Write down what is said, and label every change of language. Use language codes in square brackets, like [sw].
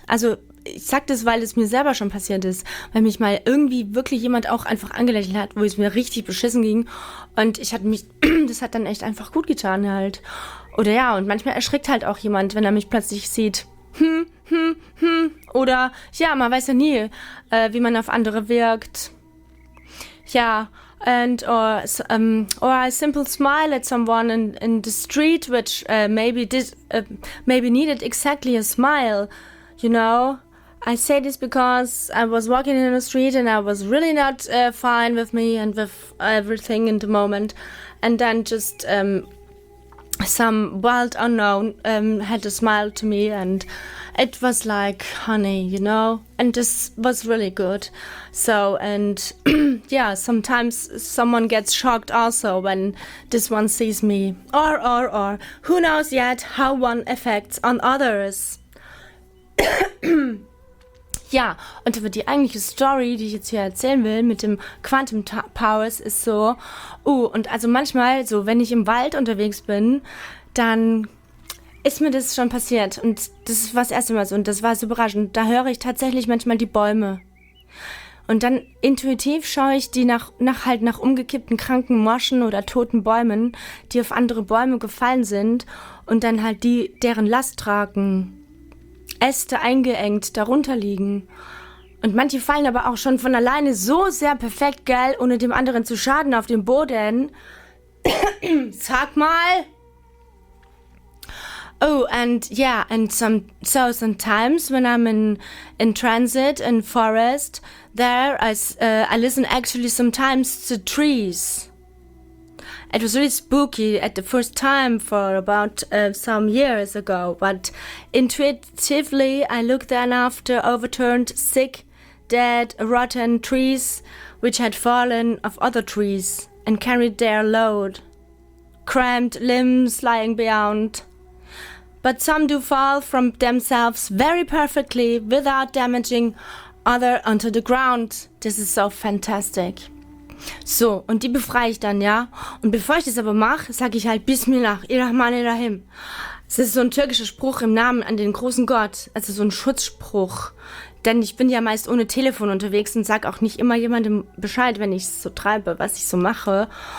[de] Also ich sag das, weil es mir selber schon passiert ist, weil mich mal irgendwie wirklich jemand auch einfach angelächelt hat, wo es mir richtig beschissen ging und ich hatte mich, das hat dann echt einfach gut getan halt. Oder ja, und manchmal erschrickt halt auch jemand, wenn er mich plötzlich sieht. Oder ja, man weiß ja nie, wie man auf andere wirkt. [en] Ja, and or a simple smile at someone in the street, which maybe needed exactly a smile. You know, I say this because I was walking in the street and I was really not fine with me and with everything in the moment. And then just some wild unknown had a smile to me, and it was like, honey, you know? And this was really good. So, and yeah, sometimes someone gets shocked also when this one sees me. Or, who knows yet how one affects on others. [de] Ja, und die eigentliche Story, die ich jetzt hier erzählen will mit dem Quantum Powers, ist so, und also manchmal, so wenn ich im Wald unterwegs bin, dann ist mir das schon passiert. Und das war das erste Mal so, und das war so überraschend. Da höre ich tatsächlich manchmal die Bäume. Und dann intuitiv schaue ich die nach umgekippten kranken Moschen oder toten Bäumen, die auf andere Bäume gefallen sind und dann halt die deren Last tragen. Äste eingeengt darunter liegen. Und manche fallen aber auch schon von alleine so sehr perfekt, gell, ohne dem anderen zu schaden, auf dem Boden. Sag mal! [en] So sometimes when I'm in transit, in forest, there, I listen actually sometimes to trees. It was really spooky at the first time for about some years ago, but intuitively I looked then after overturned, sick, dead, rotten trees which had fallen off other trees and carried their load, cramped limbs lying beyond. But some do fall from themselves very perfectly without damaging other onto the ground. This is so fantastic. [de] So, und die befreie ich dann, ja. Und bevor ich das aber mache, sage ich halt Bismillah, Irrahman, Irrahim. Das ist so ein türkischer Spruch im Namen an den großen Gott. Also so ein Schutzspruch. Denn ich bin ja meist ohne Telefon unterwegs und sage auch nicht immer jemandem Bescheid, wenn ich es so treibe, was ich so mache.